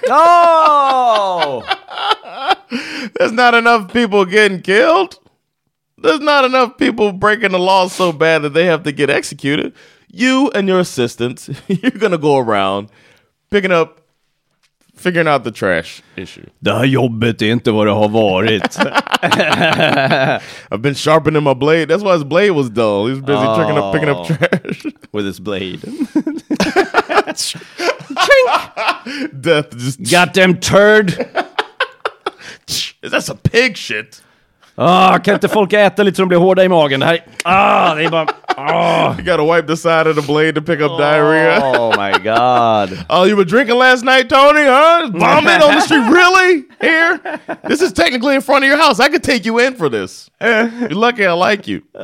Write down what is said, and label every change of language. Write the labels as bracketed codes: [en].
[en] Oh! There's not enough people getting killed. There's not enough people breaking the law so bad that they have to get executed. You and your assistants, you're going to go around picking up, figuring out the trash issue. [sv] Det här jobbet är inte vad det har varit. [en] I've been sharpening my blade. That's why his blade was dull. He's busy picking up trash. With his blade. Chink. Death just... Goddamn turd. Is that some pig shit? [sv] Kan inte folk äta lite så de blir hårda i magen? Det här är bara... [en] You gotta wipe the side of the blade to pick up diarrhea. Oh my god. Oh, you were drinking last night, Tony, huh? Vomit on the street, really? Here? This is technically in front of your house. I could take you in for this. You're lucky I like you.